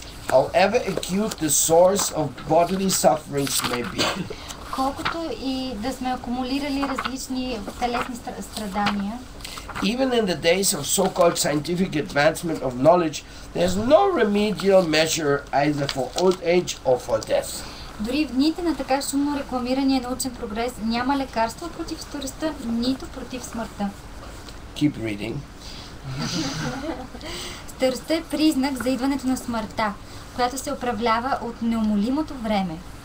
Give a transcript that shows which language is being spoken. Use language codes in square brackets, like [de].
[en] However acute the source of bodily sufferings may be. [bg] Колкото и да сме акумулирали различни телесни страдания. [en] Even in the days of so-called scientific advancement of knowledge, there's no remedial measure either for old age or for death. [bg] Дори в дните на така шумно рекламирания научен прогрес няма лекарство против старостта, нито против смъртта. [en] Keep reading. [bg] Старостта е признак за идването на смъртта, която се управлява от неумолимото време.